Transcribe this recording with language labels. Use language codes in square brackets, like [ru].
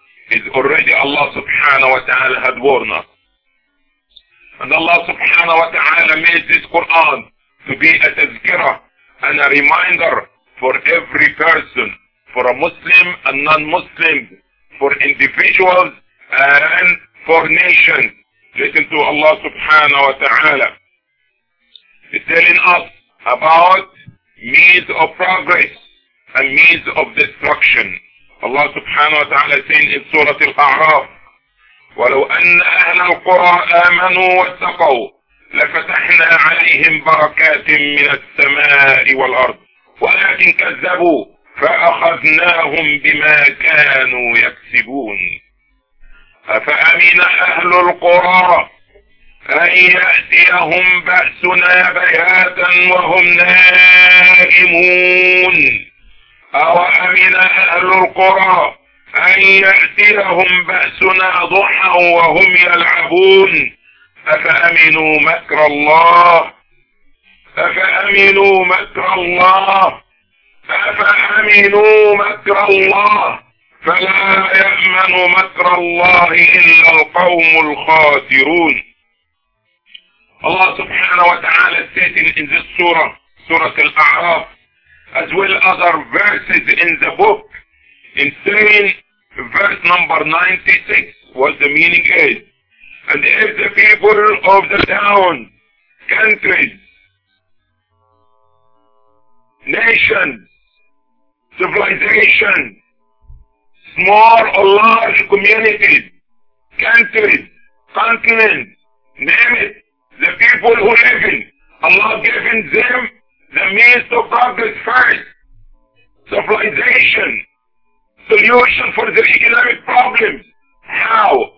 [en] It's already Allah subhanahu wa ta'ala had warned us. And Allah subhanahu wa ta'ala made this Quran to be a tazkirah and a reminder for every person, for a Muslim and non-Muslim, for individuals and for nations. Listen to Allah subhanahu wa ta'ala. He's telling us about means of progress and means of destruction. [ar] Allah subhanahu wa ta'ala saying in Surah Al-A'raf, وَلَوْ أَنَّ أَهْلَ الْقُرَىٰ آمَنُوا وَاتَّقَوْا لَفَتَحْنَا عَلَيْهِمْ بَرَكَاتٍ مِّنَ السَّمَاءِ وَالْأَرْضِ وَلَكِنْ كَذَّبُوا فَأَخَذْنَاهُمْ بِمَا كَانُوا يَكْسِبُونَ أَفَأَمِنَ أَهْلُ الْقُرَىٰ أَنْ يَأْتِيَهُمْ بَأْسُنَا بَيَاتًا وَهُمْ نَائِمُونَ أَوَأَمِنَ أَهْلُ الْقُرَىٰ أن يأتيهم بأسنا ضحى وهم يلعبون أفأمنوا مكر الله أفأمنوا مكر الله أفأمنوا مكر الله فلا يأمن مكر الله إلا القوم الخاسرون. الله سبحانه وتعالى [en] said in this surah, Surah Al-A'raf, as well other verses in the book, in saying verse number 96, what the meaning is. And if the people of the town, countries, nations, civilizations, small or large communities, countries, continents, name it, the people who live in, Allah giving them the means to progress first, civilization, solution for the economic problems. How?